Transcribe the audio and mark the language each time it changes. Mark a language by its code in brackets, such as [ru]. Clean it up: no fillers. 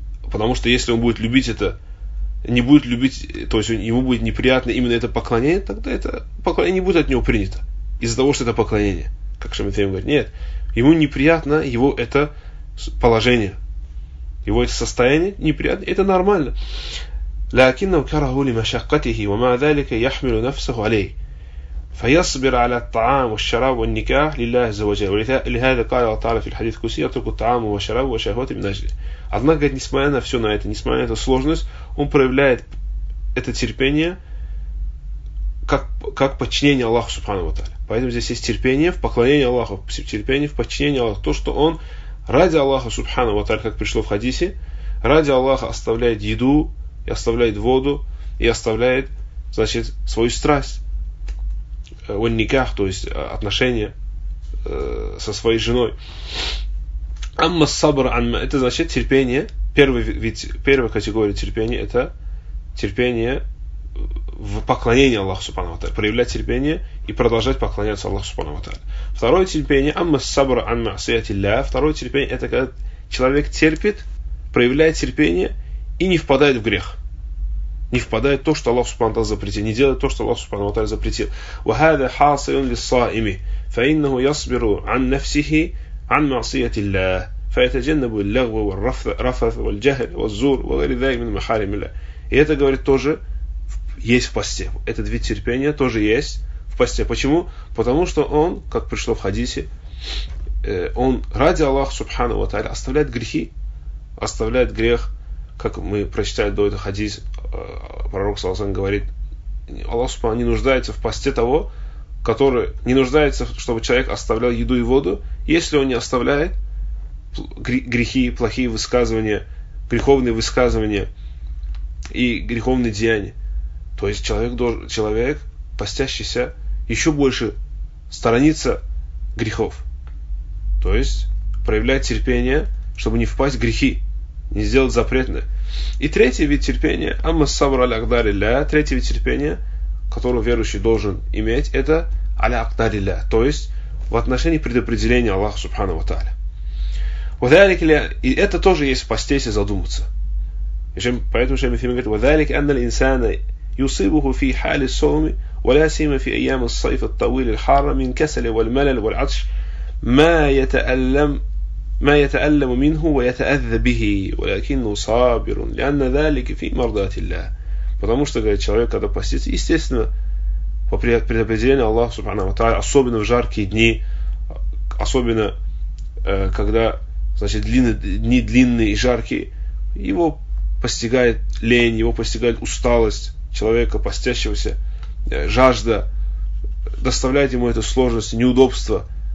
[ru] Потому что если он будет любить это, не будет любить, то есть ему будет неприятно именно это поклонение, тогда это поклонение не будет от него принято. Из-за того, что это поклонение. Как Шейх Ибн Тэймия говорит, нет. Ему неприятно его это положение. Его это состояние неприятно, это нормально. [ar] لكنه كرهه لمشقته ومع ذلك يحمل نفسه عليه فيصبر على الطعام والشراب والنكاح لله عز وجل ولهذا قال تعالى في الحديث القدسي اترك الطعام والشراب والشهوات من اجله. [ru] Однако, несмотря на все на это, несмотря на эту сложность, он проявляет это терпение как подчинение Аллаху Субхану ва Тааля. Поэтому здесь есть терпение в поклонении Аллаху, терпение в подчинении Аллаху. То, что он ради Аллаха Субхану ва Тааля, как пришло в хадисе, ради Аллаха оставляет еду и оставляет воду, и оставляет, значит, свою страсть. Никах, то есть отношения со своей женой. [ar] Амма сабр анма. [ru] Это значит терпение. Первая категория терпения это терпение в поклонении Аллаху Субхану ва Тааля. Проявлять терпение и продолжать поклоняться Аллаху Субхану ва Тааля. Второе терпение. [ar] Амма сабр анма асиятилля. [ru] Второе терпение это когда человек терпит проявляет терпение и не впадает в грех. Не впадает в то, что Аллах Субхану Тааля запретил. Не делает то, что Аллах Субхану Тааля запретил. [ar] وَهَذَا حَاصِلٌ لِلصَّائِمِ فَإِنَّهُ يَصْبِرُ عَنْ نَفْسِهِ عَنْ مَعْصِيَةِ اللَّهِ فَيَتَجَنَّبُ اللَّغْوَ وَالرَّفَثَ وَالْجَهْلَ وَالزُّورَ وَغَيْرِ ذَلِكَ مِنْ مَحَارِمِ اللَّهِ. [ru] И это, говорит, тоже есть в посте. Этот вид терпения тоже есть в посте. Почему? Потому что он, как пришло в хадисе, он ради Аллаха Субхану ва Тааля оставляет грехи, оставляет грех, как мы прочитали до этого хадис, пророк Саласан говорит, Аллах Субхану не нуждается в посте того, который не нуждается, чтобы человек оставлял еду и воду, если он не оставляет грехи, плохие высказывания, греховные высказывания и греховные деяния. То есть человек, постящийся, еще больше сторонится грехов. То есть проявляет терпение, чтобы не впасть в грехи, не сделать запретное. И третий вид терпения, [ar] амма сабр аля акдари ля, [ru] третий вид терпения, которого верующий должен иметь, это [ar] аля акдари ля, [ru] то есть в отношении предопределения Аллаха Субхану ва Тааля. И это тоже есть в посте, если задуматься. Поэтому Шейх Мусаим говорит, [ar] وَذَلِكَ أَنَّ الْإِنسَانَ يُصِيبُهُ فِي حَالِ الصَّوْمِ وَلَا سِيمَ فِي أَيَّامِ الصَّيْفِ الطَّوِيلِ الْحَارِ مِنْ كَسَلِ وَالْمَلَلِ وَالْعَطْشِ مَا يَتَأَلَّمُ مِنْهُ وَيَتَأَذَّ بِهِ وَلَكِنُّ صَابِرٌ لِأَنَّ ذَلِكَ فِي مَرْضَاتِ اللَّهِ. [ru] Потому что, говорит, человек, когда постится, естественно, по предопределению Аллаха Субхану ва Тааля, особенно в жаркие дни, особенно когда, значит, дни длинные и жаркие, его постигает лень, его постигает усталость человека, постящегося, жажда, доставляет ему эту сложность, неудобство.